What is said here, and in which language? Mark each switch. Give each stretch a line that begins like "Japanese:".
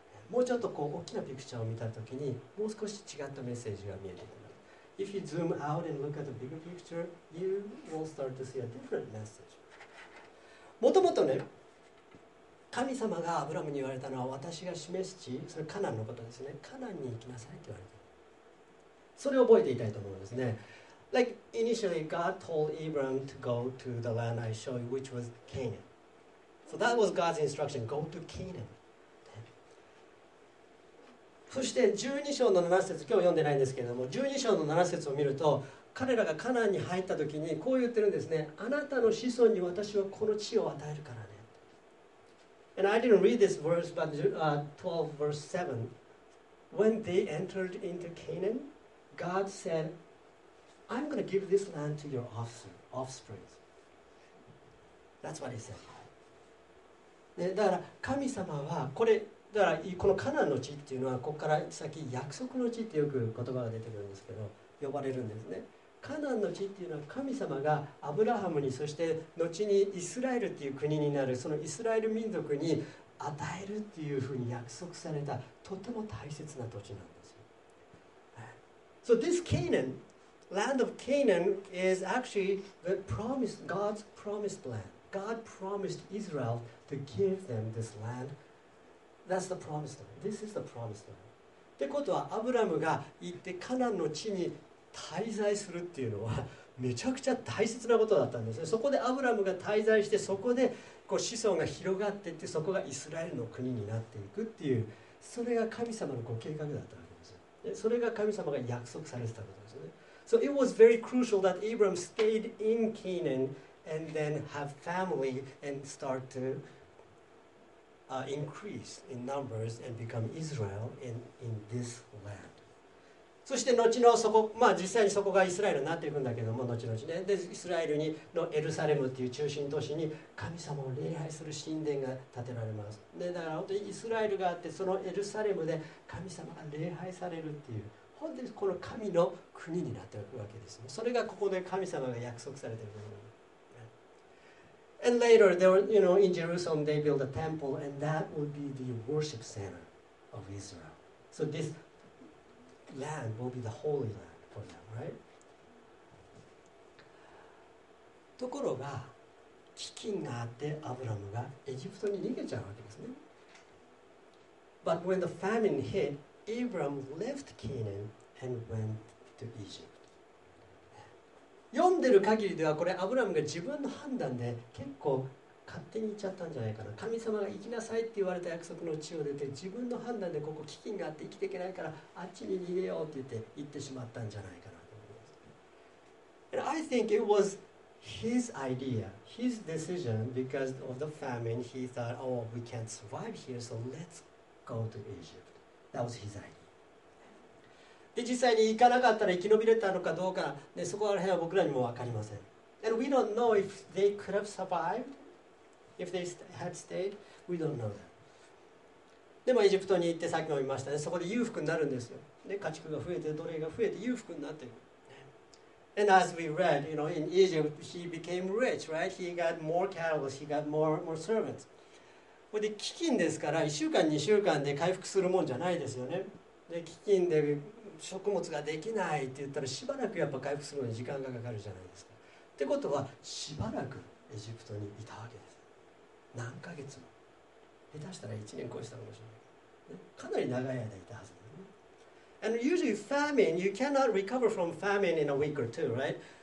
Japanese: もうちょっとこう大きなピクチャーを見たときに、もう少し違ったメッセージが見えてくる。
English: If you zoom out and look at the bigger picture, you will start to see a different message.
Japanese: もともとね、神様がアブラムに言われたのは、私が示す地、それカナンのことですね。カナンに行きなさいって言われた。それを覚えていたいと思うんですね。
English: Like, initially, God told Abram to go to the land I show you, which was Canaan. So that was God's instruction, go to Canaan.
Japanese: そして12章の7節、今日読んでないんですけれども、12章の7節を見ると、彼らがカナンに入った時にこう言ってるんですね。あなたの子孫に私はこの地を与えるからね。
English: And I didn't read this verse, but 12 verse 7. When they entered into Canaan, God said, I'm going to give this land to your offspring. That's what he said.
Japanese: で、だから神様はこれ、だからこのカナンの地っていうのは、ここから先約束の地ってよく言葉が出てくるんですけど、呼ばれるんですね。カナンの地っていうのは神様がアブラハムに、そして後にイスラエルっていう国になる、そのイスラエル民族に与えるっていうふうに約束されたとても大切な土地なんですよ。
English: So this Canaan, land of Canaan, is actually the promised, God's promised land. God promised Israel to give them this land. That's the promised land. This is the promised land.
Japanese: ってことはアブラムが行ってカナンの地に滞在するっていうのはめちゃくちゃ大切なことだったんですね。そこでアブラムが滞在して、そこでこう子孫が広がっていって、そこがイスラエルの国になっていくっていう、それが神様のご計画だったわけですよ。それが神様が約束されてたことですよね。
English: So it was very crucial that Abram stayed in Canaan and then have family and start to increase in numbers and become Israel in this land.
Japanese: そして後のそこ、まあ実際にそこがイスラエルになっていくんだけども、後々ね。で、イスラエルにのエルサレムっていう中心都市に神様を礼拝する神殿が建てられます。で、だから本当にイスラエルがあって、そのエルサレムで神様が礼拝されるっていう、本当にこの神の国になっていくわけですね。それがここで神様が約束されているもの。
English: And later, they were, you know, in Jerusalem, they built a temple, and that would be the worship center of Israel. So thisland will be the holy land for them, right?
Japanese: ところが飢饉があってアブラムがエジプトに逃げちゃうわけですね。
English: But when the famine hit, Abram left Canaan and went to Egypt.
Japanese: 読んでる限りではこれアブラムが自分の判断で結構勝手に行っちゃったんじゃないかな。神様が行きなさいって言われた約束の地を出て、自分の判断でここ飢饉があって生きていけないからあっちに逃げようって言って行ってしまったんじゃないかなと思います。
English: And I think it was his idea, his decision, because of the famine, he thought, oh, we can't survive here, so let's go to Egypt. That was his idea.
Japanese: で、実際に行かなかったら生き延びれたのかどうか、ね、そこら辺は僕らにも分かりません。
English: And we don't know if they could have survived.If they had stayed, we don't know that.
Japanese: でもエジプトに行ってさっきも言いましたね、そこで裕福になるんですよ。で、家畜が増えて、奴隷が増えて裕福になっている。
English: And as we read, you know, in Egypt, he became rich, right? He got more cattle, he got more servants.
Japanese: これで飢饉ですから、1週間、2週間で回復するもんじゃないですよね。で、飢饉で食物ができないって言ったら、しばらくやっぱ回復するのに時間がかかるじゃないですか。ってことは、しばらくエジプトにいたわけです。何ヶ月も。下手したら1年越したかもしれない。ね、かなり長い間いたはず。
English: And usually famine, you cannot recover from famine in a week or two, right?